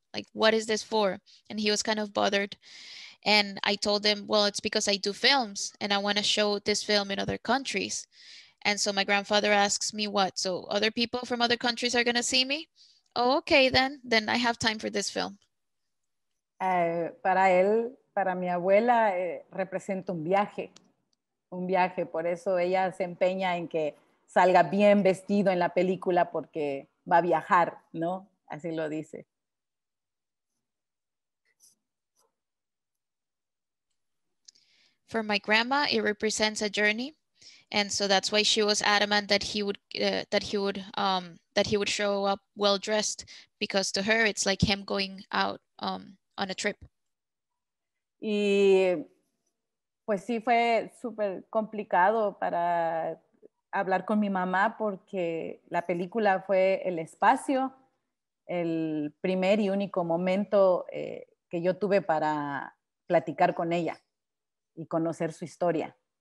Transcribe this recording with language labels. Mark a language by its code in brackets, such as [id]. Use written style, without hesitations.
[en] Like, what is this for? And he was kind of bothered. And I told him, well, it's because I do films and I want to show this film in other countries. And so my grandfather asks me, what? So other people from other countries are going to see me? Oh, okay, then I have time for this film. [es] Para él, para mi abuela, representa un viaje. Por eso ella se empeña en que salga bien vestido en la película porque va a viajar, ¿no? Así lo dice. [en] For my grandma, it represents a journey, and so that's why she was adamant that he would show up well dressed, because to her it's like him going out on a trip. [es] Y pues sí, fue súper complicado para hablar con mi mamá, porque la película fue el espacio, el primer y único momento que yo tuve para platicar con ella y conocer su historia.